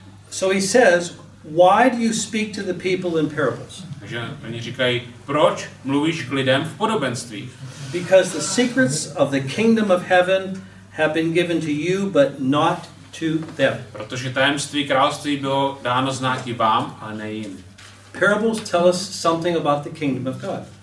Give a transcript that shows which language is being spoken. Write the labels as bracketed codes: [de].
[en] So he says, why do you speak to the people in parables? [cs] Takže oni říkají, proč mluvíš k lidem v podobenstvích? [en] Because the secrets of the kingdom of heaven have been given to you, but not to them. [cs] Protože tajemství království bylo dáno znáky vám, a ne jim. [en] Parables tell us something about the kingdom of God.